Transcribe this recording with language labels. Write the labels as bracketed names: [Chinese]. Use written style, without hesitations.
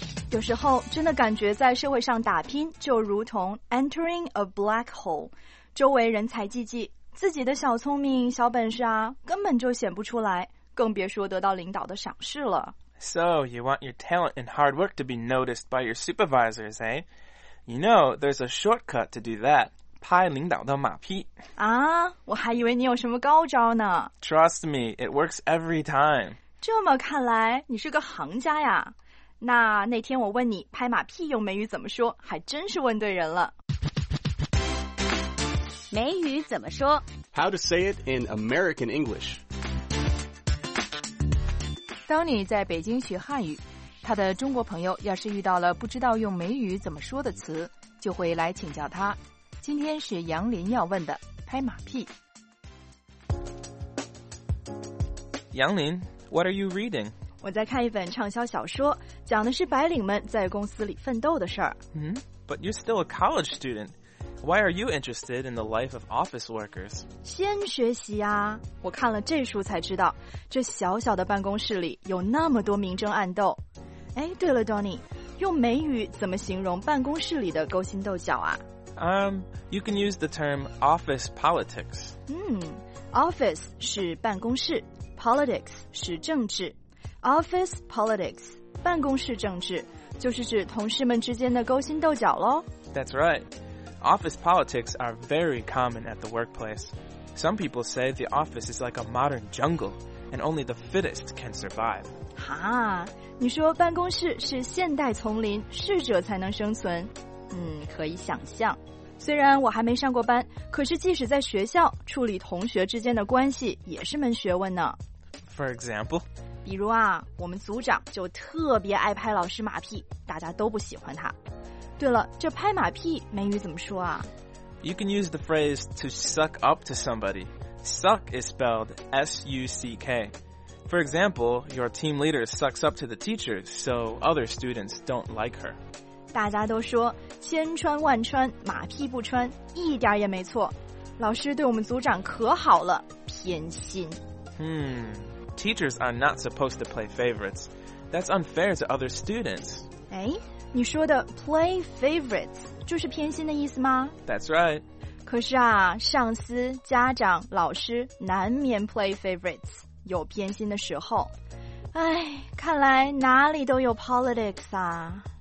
[Chinese] 有时候真的感觉在社会上打拼，就如同 [English] entering a black hole， [Chinese] 周围人才济济，自己的小聪明、小本事啊，根本就显不出来，更别说得到领导的赏识了。 [English] So you want your talent and hard work to be noticed by your supervisors, eh? You know, there's a shortcut to do that. [Chinese] 拍领导的马屁。啊，我还以为你有什么高招呢。 [English] Trust me, it works every time. [Chinese] 这么看来，你是个行家呀。那天我问你拍马屁用美语怎么说，还真是问对人了。美语怎么说？ [English] How to say it in American English. [Chinese] 当你在北京学汉语，他的中国朋友要是遇到了不知道用美语怎么说的词，就会来请教他。今天是杨林要问的，拍马屁。 [English] 杨林 ，What are you reading？ [Chinese] 我在看一本畅销小说，讲的是白领们在公司里奋斗的事儿。 [English] But you're still a college student. Why are you interested in the life of office workers？ [Chinese] 先学习啊！我看了这书才知道，这小小的办公室里有那么多明争暗斗。哎，对了 ，Donny， 用美语怎么形容办公室里的勾心斗角啊 [English] ？You can use the term office politics. [Chinese] Office 是办公室 ，politics 是政治。 Office politics 办公室政治就是指同事们之间的勾心斗角喽。 [English] That's right. Office politics are very common at the workplace. Some people say the office is like a modern jungle, and only the fittest can survive. [Chinese] 哈，你说办公室是现代丛林，适者才能生存。可以想象。虽然我还没上过班，可是即使在学校，处理同学之间的关系也是门学问呢。 [English] For example? [Chinese] 比如啊，我们组长就特别爱拍老师马屁，大家都不喜欢他。对了，这拍马屁美语怎么说啊？ [English] You can use the phrase to suck up to somebody. Suck is spelled S-U-C-K. For example, your team leader sucks up to the teacher, so other students don't like her. [Chinese] 大家都说千穿万穿马屁不穿，一点也没错。老师对我们组长可好了，偏心。 [English] Teachers are not supposed to play favorites. That's unfair to other students. [Chinese] 哎，你说的 play favorites 就是偏心的意思吗？ [English] That's right. [Chinese] 可是啊，上司、家长、老师难免 play favorites， 有偏心的时候。哎，看来哪里都有 politics 啊。